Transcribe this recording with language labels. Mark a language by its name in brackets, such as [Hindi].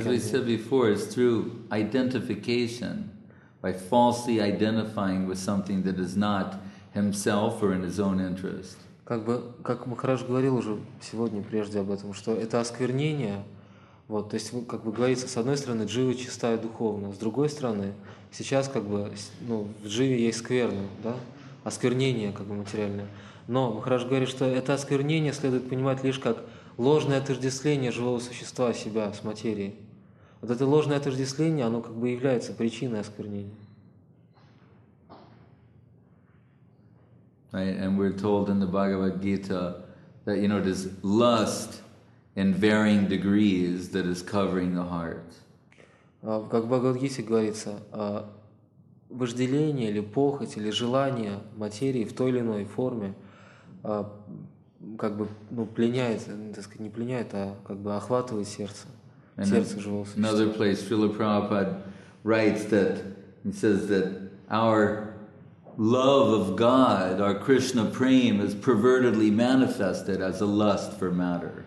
[English] As we said before, it's through identification, by falsely identifying with something that is not himself or in his own interest. [Russian] Как бы, как Махарадж говорил уже сегодня прежде об этом, что это осквернение, вот, то есть как бы говорится, с одной стороны, джива чистая духовно, с другой стороны, сейчас как бы, ну, в дживе есть скверна, да, осквернение как бы материальное. Но Махарадж говорит, что это осквернение следует понимать лишь как ложное отождествление живого существа себя с материей. Вот это ложное отождествление, оно как бы является причиной осквернения. [English] Right, and we're told in the Bhagavad Gita that, you know, it is lust in varying degrees that is covering the heart. [Russian] Как в Бхагавад Гите говорится, вожделение или похоть или желание материи в той или иной форме как бы, ну, пленяет, так сказать, не пленяет, а как бы охватывает сердце, [English] and [Russian] сердце живого существа. [English] Another place, Srila Prabhupada writes that, he says that our love of God, our Krishna prema, is pervertedly manifested as a lust for matter.